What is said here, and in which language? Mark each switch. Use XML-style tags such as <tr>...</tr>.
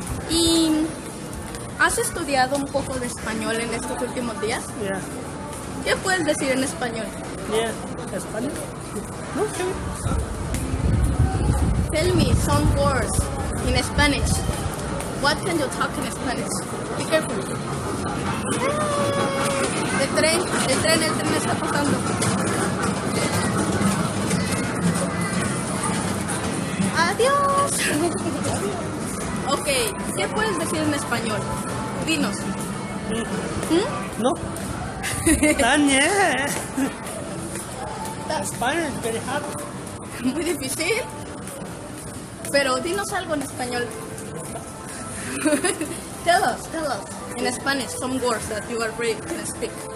<es>Y ¿has estudiado un poco de español en estos últimos días?</es> <en>Yeah.</en> <es>¿Qué puedes decir en español?</es> <en>Yeah, español. Okay. Tell me some words in Spanish. What can you talk in Spanish? Be careful.</en> <es>El tren está pasando. Adiós. Okay, ¿qué puedes decir en español? Dinos. No. Daniel. Español es</es> <en>very hard.</en> <es>Muy difícil. Pero dinos algo en español.</es> <en>Tell us. In Spanish, some words that you are ready to speak.</en>